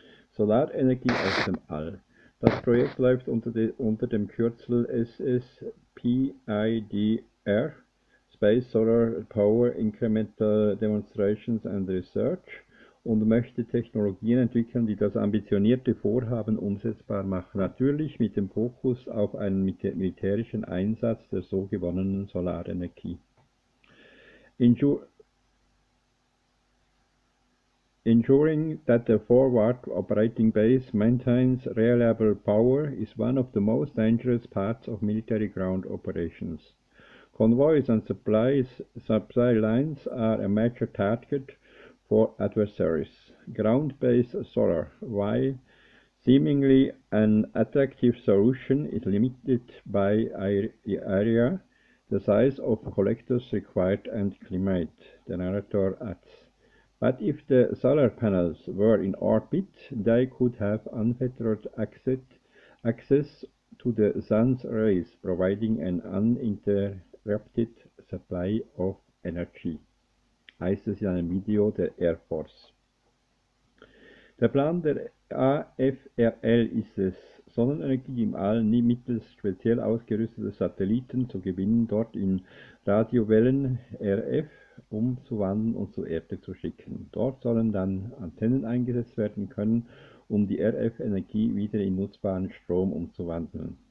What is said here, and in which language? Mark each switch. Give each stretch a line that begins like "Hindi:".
German: Solarenergie aus dem All. Das Projekt läuft unter dem Kürzel SSPIDR, Space Solar Power Incremental Demonstrations and Research, und möchte Technologien entwickeln, die das ambitionierte Vorhaben umsetzbar machen. Natürlich mit dem Fokus auf einen militärischen Einsatz der so gewonnenen Solarenergie.
English: Ensuring that the forward operating base maintains reliable power is one of the most dangerous parts of military ground operations. Convoys and supply lines are a major target for adversaries. Ground-based solar, while seemingly an attractive solution, is limited by area, the size of collectors required, and climate, the narrator adds. But if the solar panels were in orbit, they could have unfettered access to the sun's rays, providing an uninterrupted supply of energy,
German: heißt es in einem Video der Air Force. Der Plan der AFRL ist es, Sonnenenergie im All nie mittels speziell ausgerüsteter Satelliten zu gewinnen, dort in Radiowellen RF umzuwandeln und zur Erde zu schicken. Dort sollen dann Antennen eingesetzt werden können, um die RF-Energie wieder in nutzbaren Strom umzuwandeln.